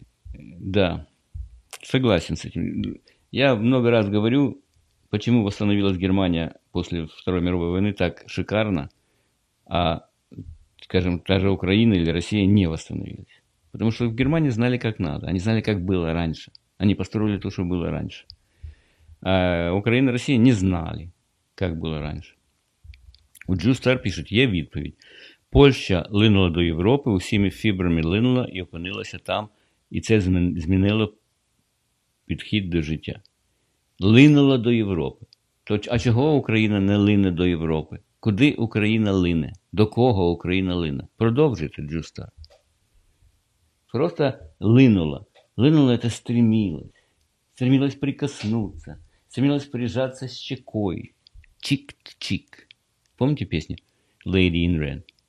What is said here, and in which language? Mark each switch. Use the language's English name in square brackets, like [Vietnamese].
[Russian] Да, согласен с этим. Я много раз говорю, почему восстановилась Германия после Второй мировой войны так шикарно, а, скажем, та же Украина или Россия не восстановились. Потому что в Германии знали, как надо. Они знали, как было раньше. Они построили то, что было раньше. А Украина и Россия не знали, как было раньше. [Ukrainian] У Джу Стар пишет, є відповідь. Польща линула до Європи, усіми фібрами линула і опинилася там, і це змінило підхід до життя. Линула до Європи. То, а чого Україна не лине до Європи? Куди Україна лине? До кого Україна лине? Продовжуйте, Джуста. Просто линула. Линула – це стрімілось. [Russian] стремилась прикоснуться, стремилась прижаться щекой. Чик-чик. Помните песню «Lady in Red»?